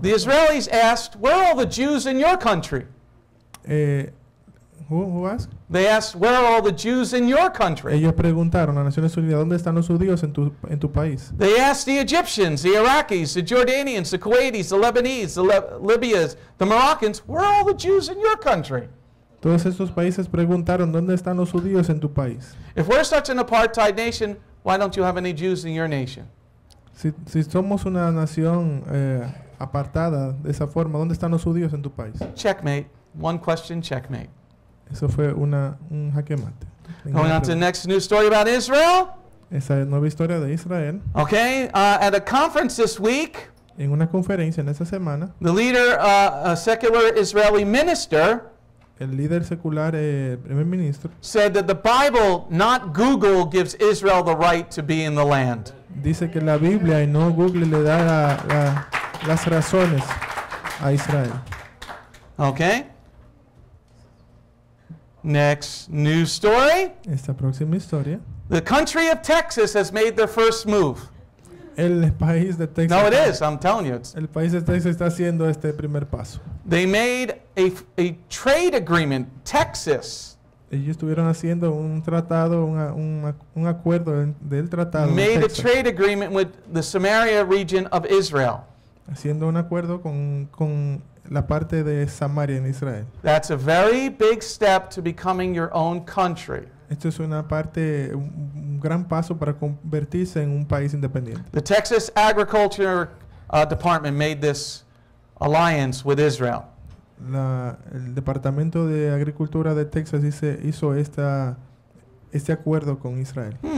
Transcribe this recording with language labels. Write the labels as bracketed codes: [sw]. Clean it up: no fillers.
[en] The Israelis asked, "Where are all the Jews in your country?" Who asked? They asked, "Where are all the Jews in your country?" [es] Ellos preguntaron a Naciones Unidas, ¿dónde están los judíos en tu país? [en] They asked the Egyptians, the Iraqis, the Jordanians, the Kuwaitis, the Lebanese, the Libyans, the Moroccans, "Where are all the Jews in your country?" [es] Todos estos países preguntaron, ¿dónde están los judíos en tu país? [en] If we're such an apartheid nation, why don't you have any Jews in your nation? [es] Si somos una nación apartada de esa forma, ¿dónde están los judíos en tu país? [en] Checkmate. One question, checkmate. [es] Eso fue un jaque mate. [en] Going on to the next news story about Israel. [es] Esa nueva historia de Israel. [en] Okay, at a conference this week, [es] en una conferencia en esa semana, [en] the leader, a secular Israeli minister, [es] el líder secular, primer ministro, [en] said that the Bible, not Google, gives Israel the right to be in the land. [es] Dice que la Biblia y no Google le da las razones a Israel. [en] Okay. Next news story. [es] Esta próxima historia. [en] The country of Texas has made their first move. [es] El país de Texas. [en] No, it is. I'm telling you. [es] El país de Texas está haciendo este primer paso. [en] They made a trade agreement, Texas. [es] Ellos estuvieron haciendo un tratado, un acuerdo del tratado. [en] Made [es] de Texas. [en] A trade agreement with the Samaria region of Israel. [es] Haciendo un acuerdo con la parte de Samaria en Israel. [en] That's a very big step to becoming your own country. [es] Esto es una parte, un gran paso para convertirse en un país independiente. [en] The Texas Agriculture Department made this alliance with Israel. [es] El Departamento de Agricultura de Texas hizo este acuerdo con Israel.